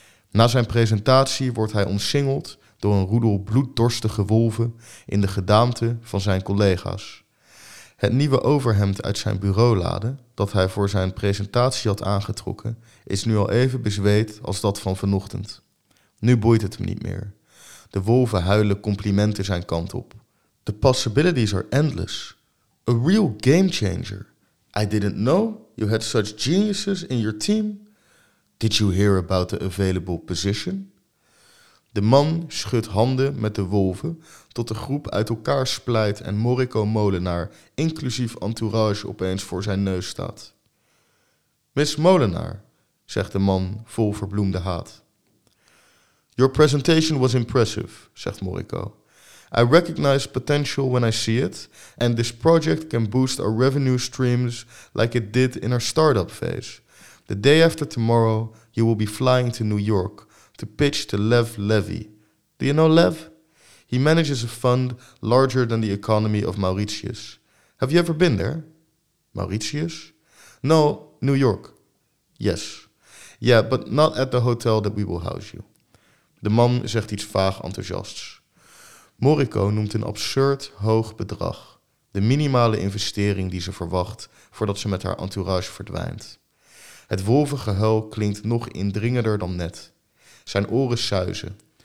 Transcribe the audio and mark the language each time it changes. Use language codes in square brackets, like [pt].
[nl] Na zijn presentatie wordt hij omsingeld door een roedel bloeddorstige wolven in de gedaante van zijn collega's. Het nieuwe overhemd uit zijn bureaulade, dat hij voor zijn presentatie had aangetrokken, is nu al even bezweet als dat van vanochtend. Nu boeit het hem niet meer. De wolven huilen complimenten zijn kant op. [en] The possibilities are endless. A real game changer. I didn't know you had such geniuses in your team. Did you hear about the available position? [nl] De man schudt handen met de wolven tot de groep uit elkaar splijt en Moriko Molenaar, inclusief entourage, opeens voor zijn neus staat. Miss Molenaar, zegt de man vol verbloemde haat. [en] Your presentation was impressive, [nl] zegt Moriko. [en] I recognize potential when I see it, and this project can boost our revenue streams like it did in our startup phase. The day after tomorrow, you will be flying to New York to pitch to Lev Levy. Do you know Lev? He manages a fund larger than the economy of Mauritius. Have you ever been there? Mauritius? No, New York. Yes. Yeah, but not at the hotel that we will house you. [nl] De man zegt iets vaag enthousiasts. Moriko noemt een absurd hoog bedrag. De minimale investering die ze verwacht voordat ze met haar entourage verdwijnt. Het wolvengehuil klinkt nog indringender dan net. Zijn oren suizen.